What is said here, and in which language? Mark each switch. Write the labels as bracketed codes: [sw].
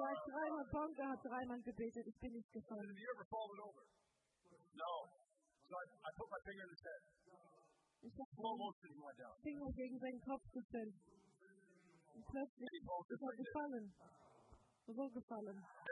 [de] Dreimal Ponky hat dreimal gebetet. Ich bin nicht gefallen. [en] Have you ever fallen over? No. So I put my finger in his head. [de] Ich habe den Finger gegen seinen Kopf gestellt. Und plötzlich ist er gefallen. So gefallen.